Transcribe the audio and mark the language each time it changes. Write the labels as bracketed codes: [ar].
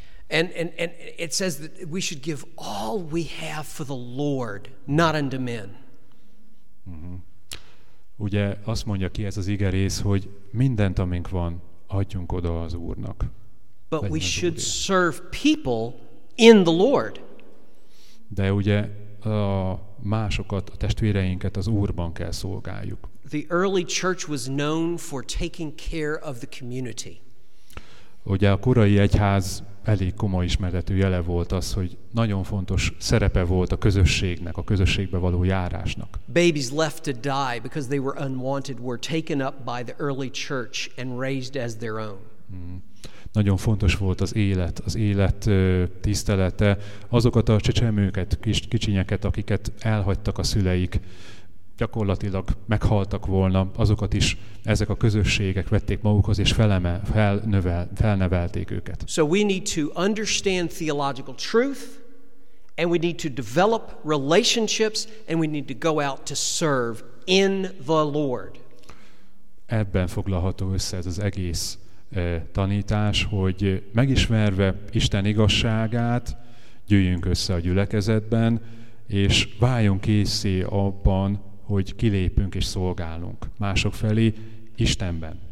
[en] And it says that we should give all we have for the Lord, not unto men. [hu] Ugye azt mondja ki ez az ige rész, hogy mindent, amink van, adjunk oda az Úrnak. [en] But we should serve people in the Lord. [hu] De ugye a másokat, a testvéreinket az Úrban kell szolgáljuk. [en] The early church was known for taking care of the community. [hu] Ugye a korai egyház elég komoly ismeretű jele volt az, hogy nagyon fontos szerepe volt a közösségnek, a közösségbe való járásnak. [en] Babies left to die because they were unwanted were taken up by the early church and raised as their own. [hu] Nagyon fontos volt az élet tisztelete, azokat a csecsemőket, kicsinyeket, akiket elhagytak a szüleik, gyakorlatilag meghaltak volna, azokat is ezek a közösségek vették magukhoz és felnevelték őket. [en] So we need to understand theological truth, and we need to develop relationships, and we need to go out to serve in the Lord. [hu] Ebben foglalható össze ez az egész tanítás, hogy megismerve Isten igazságát, gyűjünk össze a gyülekezetben, és váljunk készé abban, hogy kilépünk és szolgálunk mások felé Istenben.